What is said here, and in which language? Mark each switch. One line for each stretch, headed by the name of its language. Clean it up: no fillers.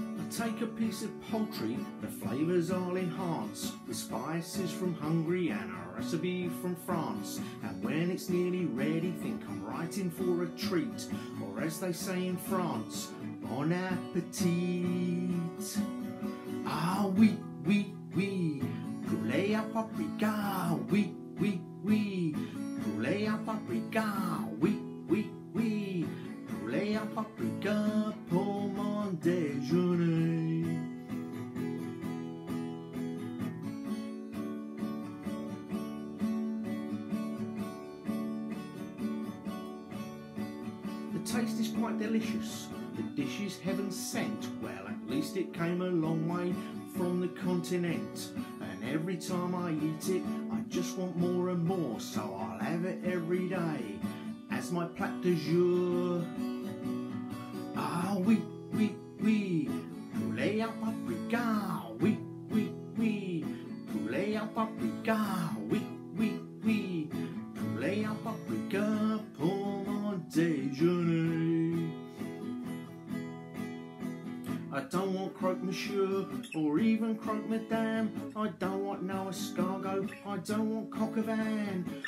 English: Take a piece of poultry, the flavours I'll enhance with spices from Hungary and a recipe from France. And when it's nearly ready, think I'm right in for a treat, or as they say in France, bon appetit.
French: Ah, oui, oui, oui, poulet à paprika, oui, oui, oui, poulet à paprika, oui, oui, oui, poulet à paprika pour mon déjeuner.
English: Taste is quite delicious, the dish is heaven sent. Well, at least it came a long way from the continent. And every time I eat it, I just want more and more. So I'll have it every day as my plat du jour.
French: Ah, oui, oui, oui, poulet à paprika. Oui, oui, oui, poulet à paprika. Oui, oui, oui, poulet à paprika pour mon déjeuner.
English: I don't want croque monsieur or even croque madame. I don't want no escargot, I don't want coq au vin.